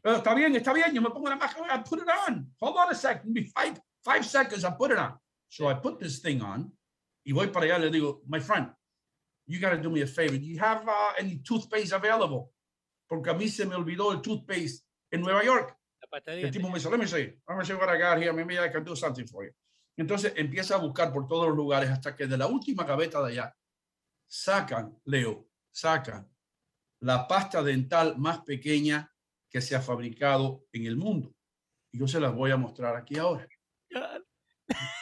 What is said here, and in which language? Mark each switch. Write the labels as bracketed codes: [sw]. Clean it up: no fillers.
[es] Está bien, yo me pongo la máscara, [en] I put it on. Hold on a second, five seconds, I put it on. So I put this thing on, [es] y voy para allá, le digo, [en] my friend, you got to do me a favor. Do you have any toothpaste available? [es] Porque a mí se me olvidó el toothpaste en Nueva York. El tipo me dice, [en] let me see what I got here, maybe I can do something for you. [es] Entonces empieza a buscar por todos los lugares hasta que de la última gaveta de allá, sacan la pasta dental más pequeña que se ha fabricado en el mundo. Y yo se las voy a mostrar aquí ahora. [en] God.